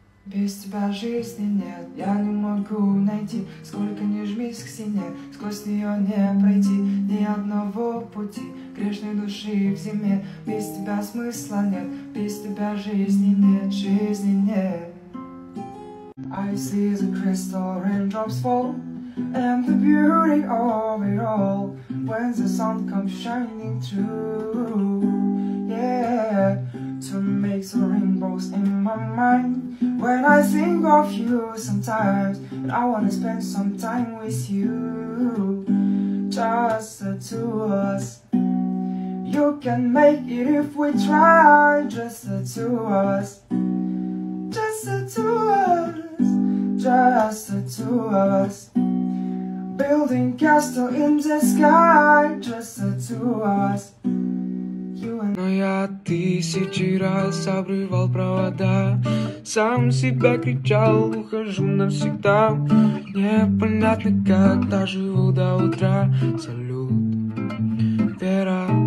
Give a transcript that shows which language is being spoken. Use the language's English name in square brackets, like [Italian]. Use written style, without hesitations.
[Russian] Без тебя жизни нет, я не могу найти. Сколько ни жмись к стене, сквозь нее не пройти. Ни одного пути грешной души в зиме. Без тебя смысла нет, без тебя жизни нет, жизни нет. [English] I see the crystal raindrops fall, and the beauty of it all, when the sun comes shining through, yeah. To make the rainbows in my mind, when I think of you sometimes, and I wanna spend some time with you, just the two of us. You can make it if we try, just the two of us, just the two of us, just the two of us. Building castle in the sky, just the two of us. [Russian] Но я тысячи раз обрывал провода, сам себя кричал, ухожу навсегда. Непонятно, как доживу до утра. Салют, Вера.